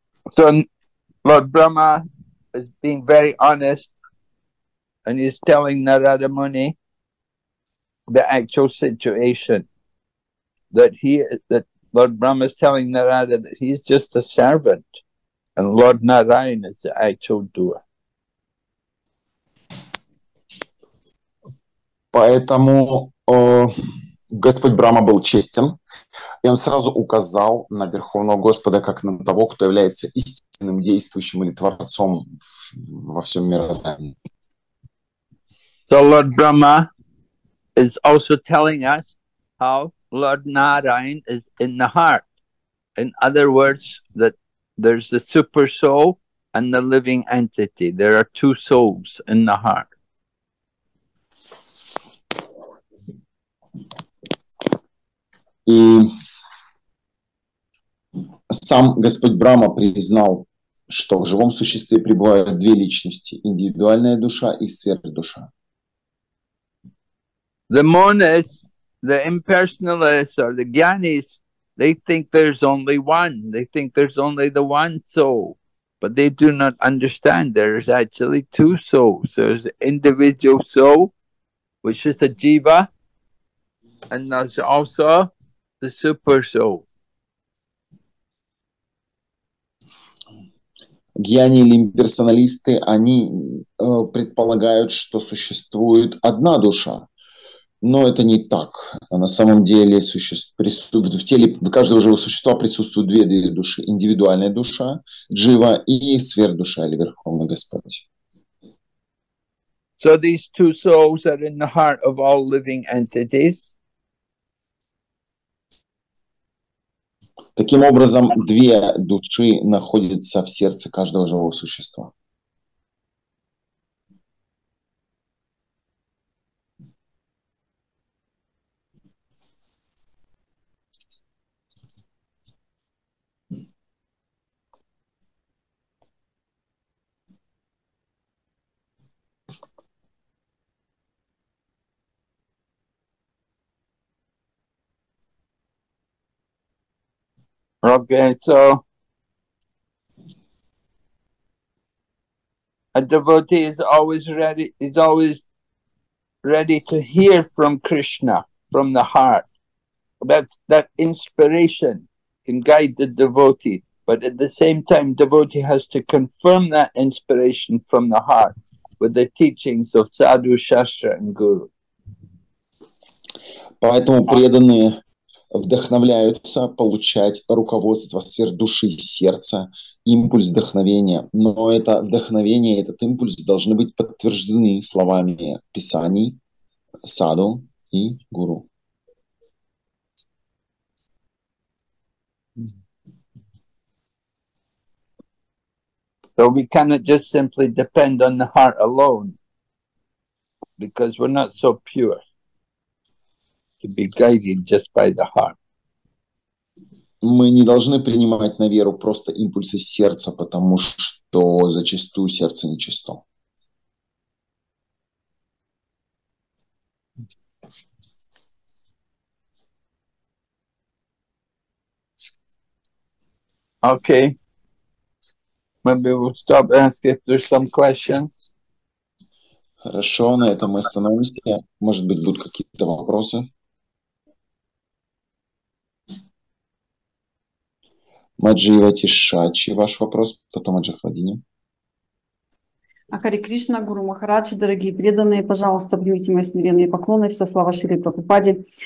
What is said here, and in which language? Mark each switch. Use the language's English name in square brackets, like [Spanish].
[English] So Lord Brahma is being very honest and he's telling Narada Muni the actual situation, that Lord Brahma is telling Narada that he's just a servant and Lord Narayan is the actual doer. [Russian] Поэтому Господь Брама был честен, и он сразу указал на Верховного Господа как на того, кто является истинным действующим или творцом во всем мироздании. [English] So Lord Brahma is also telling us how Lord Narayan is in the heart. In other words, that there's the super soul and the living entity. There are two souls in the heart. [Russian] И сам Господь Брама признал, что в живом существе пребывают две личности, индивидуальная душа и сверхдуша. [English] The monists, the impersonalists, or the gyanis, they think there's only one. They think there's only the one soul. But they do not understand there's actually two souls. There's the individual soul, which is the jiva, and there's also the super soul. [Russian] Гьяни или имперсоналисты, они предполагают, что существует одна душа. Но это не так. На самом деле в теле каждого живого существа присутствуют две души. Индивидуальная душа, джива, и сверхдуша, или Верховный Господь. [English] So these two souls are in the heart of all living entities. [Russian] Таким образом, две души находятся в сердце каждого живого существа. [English] Okay, so a devotee is always ready. Is always ready to hear from Krishna from the heart. That inspiration can guide the devotee, but at the same time, devotee has to confirm that inspiration from the heart with the teachings of Sadhu, Shastra, and Guru. [Russian] Поэтому преданные вдохновляются получать руководство сверхдуши сердца, импульс вдохновения. Но это вдохновение, этот импульс должны быть подтверждены словами писаний, саду и гуру. [English] So we cannot just simply depend on the heart alone, because we're not so pure to be guided just by the heart. [Russian] Мы не должны принимать на веру просто импульсы сердца, потому что зачастую сердце нечисто. [English] Okay. Maybe we'll stop and ask if there's some questions. [Russian] Хорошо, на этом мы остановимся. Может быть, будут какие-то вопросы. Маджива Тишачи, ваш вопрос, потом Аджахладини. Хари Кришна, Гуру Махараджи, дорогие преданные, пожалуйста, примите мои смиренные поклоны, все слава Шри Прабхупаде.